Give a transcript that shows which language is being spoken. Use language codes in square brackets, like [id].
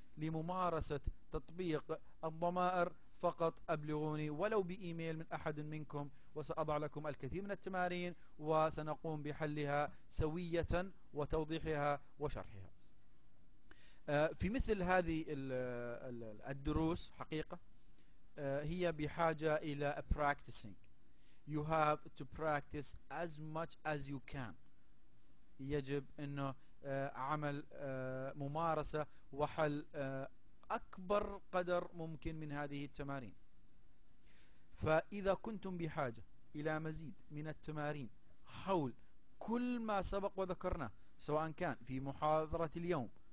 [ar] لممارسة تطبيق الضمائر فقط أبلغوني ولو بإيميل من أحد منكم، وسأضع لكم الكثير من التمارين وسنقوم بحلها سوية وتوضيحها وشرحها. في مثل هذه الدروس حقيقة هي بحاجة إلى practicing. [en] You have to practice as much as you can. [ar] يجب أنه عمل ممارسة وحل أكبر قدر ممكن من هذه التمارين. فإذا كنتم بحاجة إلى مزيد من التمارين حول كل ما سبق وذكرناه، سواء كان في محاضرة اليوم